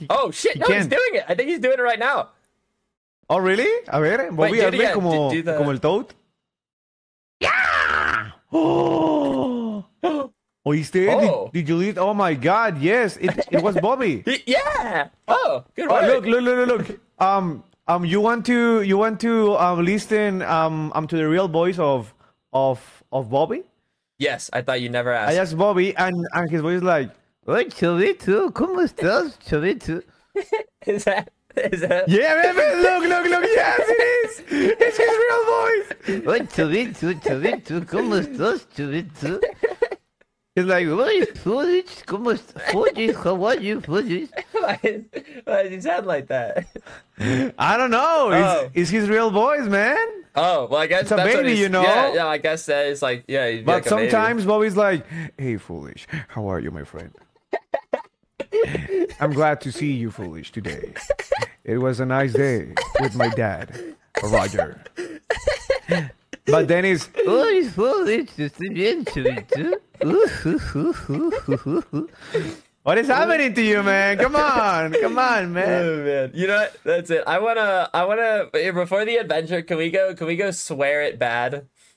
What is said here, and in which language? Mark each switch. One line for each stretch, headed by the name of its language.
English: Oh shit, no, he's doing it. I think he's doing it right now. Oh really?
Spanish: A ver, Bobby, hazme como el Toad.
English: Yeah! Oh, he's dead? Did you leave? Oh my god, yes. It was Bobby. Yeah! Oh, good work. Look. You want to listen to the real voice of Bobby? Yes, I thought you never asked. I asked Bobby, and his voice is like, "Hey, Chavito,
Spanish: ¿cómo estás, Chavito?"
English: Is that? Yeah, man, look, yes, it is. It's his real voice.
Spanish: "Hey, Chavito, ¿cómo estás, Chavito?"
English: He's like, "Hey, Fudge,
Spanish: ¿cómo estás, Fudge?
English: How are you, Fudge?" Why does he sound like that? I don't know. It's his real voice, man. Oh, well, I guess it's a baby, you know? Yeah, I guess that it's like, yeah. But like a baby. Sometimes Bobby's like, "Hey, Foolish, how are you, my friend? I'm glad to see you, Foolish, today. It was a nice day with my dad, Roger." But then he's,
Spanish: "Oh, Foolish, estoy bien, Chavito."
English: What is happening to you, man? Come on, man. Oh, man. You know what? That's it. I wanna before the adventure, can we go swear it bad?